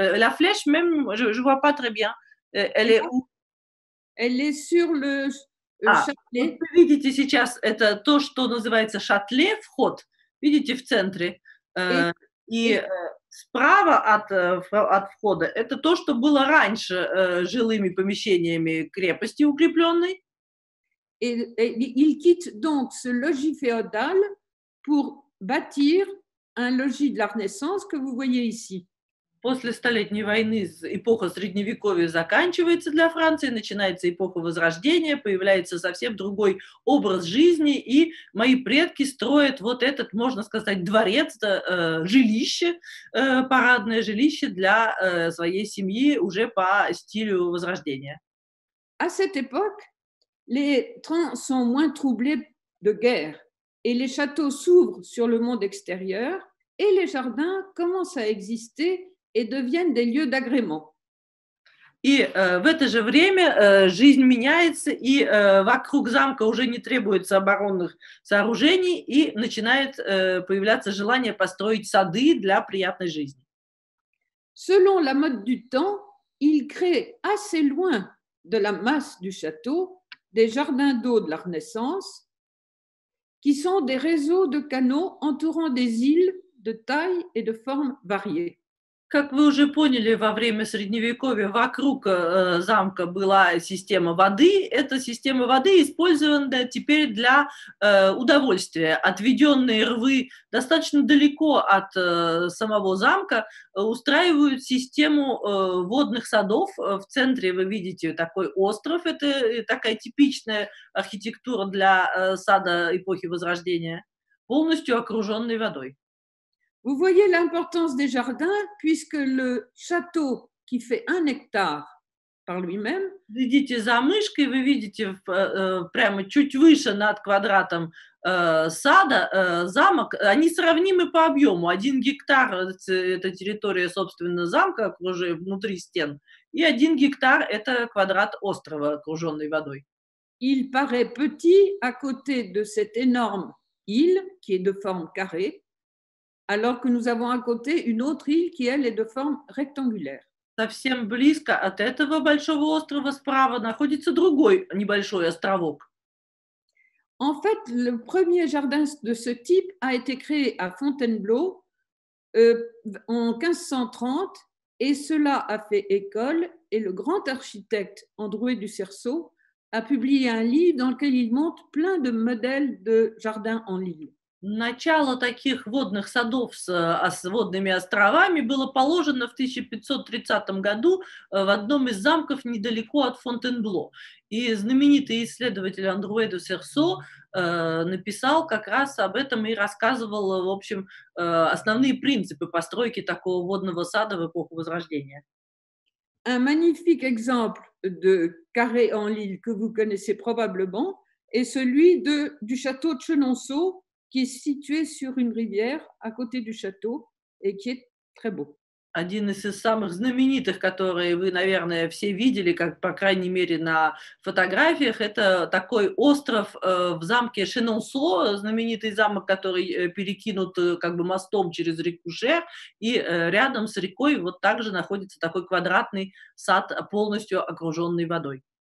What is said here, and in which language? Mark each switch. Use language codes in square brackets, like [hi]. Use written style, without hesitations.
[fr] La flèche même, je vois pas très bien. Elle est où? Elle est sur le châtelet. [ru] Вот вы видите сейчас, это то, что называется шатле, вход, видите, в центре. И справа от входа это то, что было раньше жилыми помещениями крепости укрепленной. [fr] Il quitte donc ce logis féodal pour bâtir un logis de la Renaissance que vous voyez ici. [ru] После Столетней войны эпоха Средневековья заканчивается для Франции, начинается эпоха Возрождения, появляется совсем другой образ жизни, и мои предки строят вот этот, можно сказать, дворец, жилище, парадное жилище для своей семьи уже по стилю Возрождения. [fr] À cette époque, les temps sont moins troublés de guerre, et les châteaux s'ouvrent sur le monde extérieur, et les jardins commencent à exister et deviennent des lieux d'agrément. [ru] И в это же время жизнь меняется, и вокруг замка уже не требуется оборонных сооружений, и начинает появляться желание построить сады для приятной жизни. [fr] Selon la mode du temps, il crée assez loin de la masse du château des jardins d'eau de la Renaissance, qui sont des réseaux de canaux entourant des îles de taille et de forme variées. [ru] Как вы уже поняли, во время Средневековья вокруг замка была система воды. Эта система воды использована теперь для удовольствия. Отведенные рвы достаточно далеко от самого замка устраивают систему водных садов. В центре вы видите такой остров. Это такая типичная архитектура для сада эпохи Возрождения, полностью окруженный водой. [fr] Vous voyez l'importance des jardins, puisque le château qui fait un hectare par lui-même. Vous voyez [ru] за мышкой, [fr] vous voyez [ru] прямо чуть выше над квадратом сада замок. Они сравнимы по объему. Один гектар – это территория, собственно, замка, уже внутри стен. И один гектар – это квадрат острова, окруженный водой. [fr] Il paraît petit à côté de cette énorme île qui est de forme carrée. Alors que nous avons à côté une autre île qui, elle, est de forme rectangulaire. [ru] Совсем близко от этого большого острова справа находится другой небольшой островок. [fr] En fait, le premier jardin de ce type a été créé à Fontainebleau en 1530, et cela a fait école, et le grand architecte Androuet du Cerceau a publié un livre dans lequel il montre plein de modèles de jardins en ligne. [ru] Начало таких водных садов с водными островами было положено в 1530 году в одном из замков недалеко от Фонтенбло. И знаменитый исследователь Андруэ де Серсо написал как раз об этом и рассказывал, в общем, основные принципы постройки такого водного сада в эпоху Возрождения. [fr] Un magnifique exemple de carré en lille que vous connaissez probablement est celui du château de Chenonceau, qui est situé sur une rivière à côté du château et qui est très beau. [ru] Один из самых знаменитых, которые вы, наверное, все видели, как по крайней мере на фотографиях, это такой остров в замке Шенонсо, знаменитый замок, который перекинут как бы мостом через реку Шер, и рядом с рекой вот также находится такой квадратный сад, полностью окруженный водой.